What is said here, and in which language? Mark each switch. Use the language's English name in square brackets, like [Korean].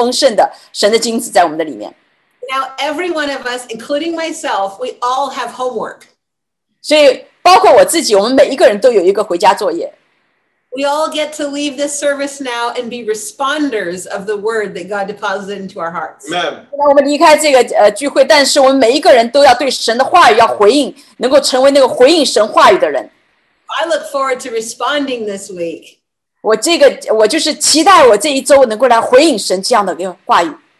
[Chinese] 所以今天早晨，神其实已经放置在我们心中有很多非常丰盛的神的精子在我们的里面。 [English] Now, every one of us, including myself, we all have homework. [Chinese] 所以包括我自己，我们每一个人都有一个回家作业。 [English] We all get to leave this service now and be responders of the word that God deposited into our hearts. Amen. [Chinese] 我们离开这个聚会，但是我们每一个人都要对神的话语要回应，能够成为那个回应神话语的人。 [English] I look forward to responding this week. [Chinese] 我就是期待我这一周能够来回应神这样的一个话语。